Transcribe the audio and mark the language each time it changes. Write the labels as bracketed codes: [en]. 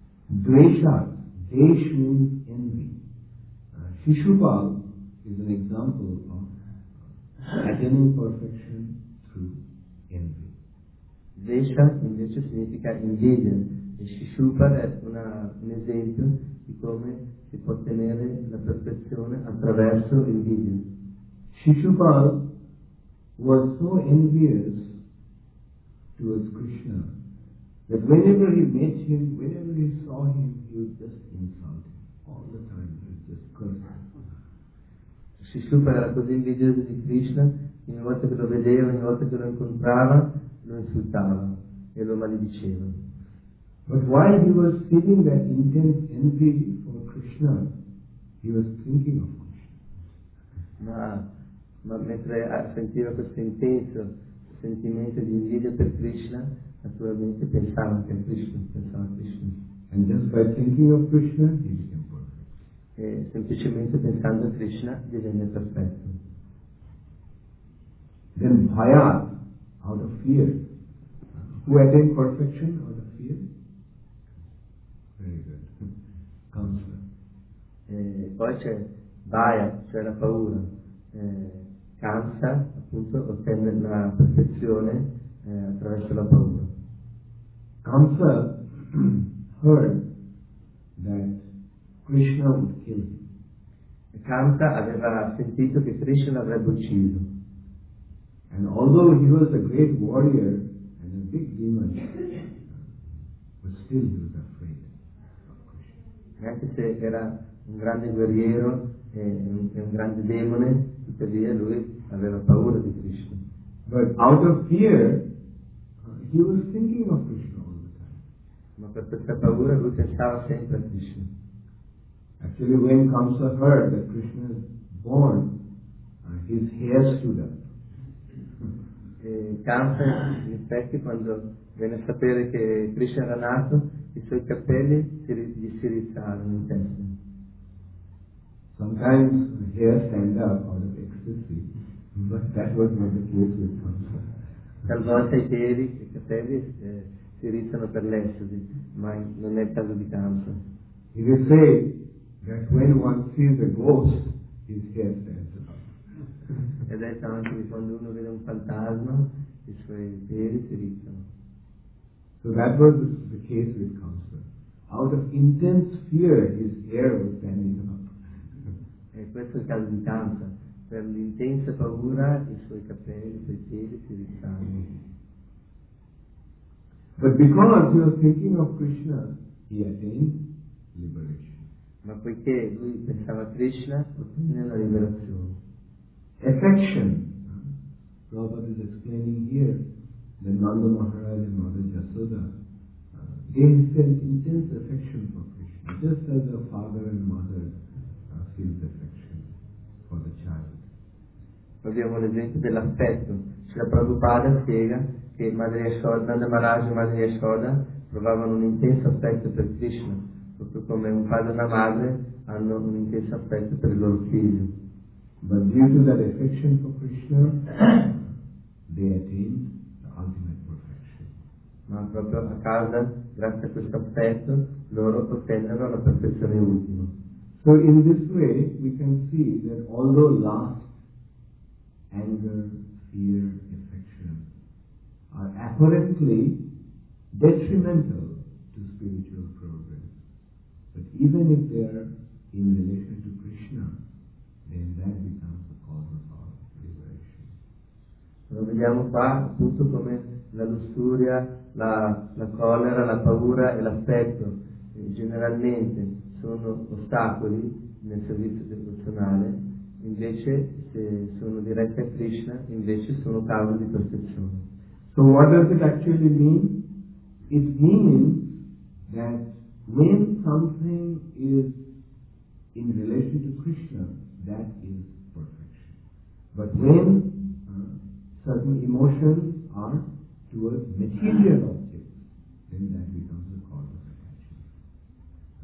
[en] Dvesha, desh means envy. Shishupal is an example of attaining perfection through envy. [it] Dvesha invece significa invidia, e Shishupal è un esempio di come si può ottenere la perfezione attraverso invidia. [en] Shishupal was so envious towards Krishna that whenever he met him, whenever he saw him, he would just insult him all the time. He would just curse him. [it] Shishupal era così invidioso di Krishna che ogni volta che lo vedeva, ogni volta che lo incontrava, lo insultava e lo malediceva. [en] But while he was feeling that intense envy for Krishna, he was thinking of Krishna. [it] Ma mentre sentiva questo intenso sentimento di invidia per Krishna, naturalmente pensava anche a Krishna, [en] And just by thinking of Krishna, he became perfect. [it] E semplicemente pensando a Krishna, divenne perfetto. [en] Then bhaya, out of fear. Who attained perfection out of fear? Very good. Counselor. [it] E poi c'è bhaya, cioè la paura. Kansa, appunto, ottenne la perfezione attraverso la paura. [en] Kansa heard that Krishna would kill him. [it] Kansa aveva sentito che Krishna l'avrebbe ucciso. [en] And although he was a great warrior and a big demon, but still he was afraid of Krishna. [it] Anche se era un grande guerriero e un grande demone, tuttavia lui aveva paura di Krishna. [en] But out of fear, he was thinking of Krishna all the time. [it] Ma per questa paura lui pensava sempre a Krishna. [en] Actually, when Kamsa heard that Krishna is born, his hair stood up. [it] Kamsa, in effetti, quando venne a sapere che Krishna era nato, i suoi capelli gli si rizzarono in testa. [en] Sometimes the hair stand up out of ecstasy. But that was not the case with Kamsa. [it] Talvolta i piedi e i capelli si rizzano per l'estasi, ma non è il caso di Kamsa. [en] He will say that when one sees a ghost, his hair stands up. [it] È detto anche che quando uno vede un fantasma, i suoi piedi si rizzano. [en] So that was the case with Kamsa. Out of intense fear, his hair was standing up. [it] E questo è il caso di Kamsa. Per l'intensa paura, i suoi capelli, i suoi piedi si rizzarono. [en] But because he was thinking of Krishna, he attained liberation. [it] Ma poiché lui pensava a Krishna, ottenne la liberazione. [en] Affection. Prabhupada is explaining here that Nanda Maharaj and Mother Yasoda, they felt intense affection for Krishna, just as a father and mother feels affection for the child. [it] Abbiamo l'esempio dell'affetto. Cioè, Prabhupada spiega che Madre Yashoda, Nanda Maharaj e Madre Yashoda provavano un intenso affetto per Krishna, proprio come un padre e una madre hanno un intenso affetto per il loro figlio. [en] But due to that affection for Krishna, they attained the ultimate perfection. [it] Ma proprio a causa, grazie a questo affetto, loro ottennero la perfezione ultima. [en] So in this way we can see that although last anger, fear, affection are apparently detrimental to spiritual progress. But even if they are in relation to Krishna, then that becomes the cause of our liberation. [it] Lo vediamo qua, appunto, come la lussuria, la collera, la paura e l'affetto generalmente sono ostacoli nel servizio devozionale, invece se sono diretti a Krishna, invece sono causa di perfezione. [en] So what does it actually mean? It means that when something is in relation to Krishna, that is perfection. But when certain emotions are towards material objects, then that becomes a cause of attachment.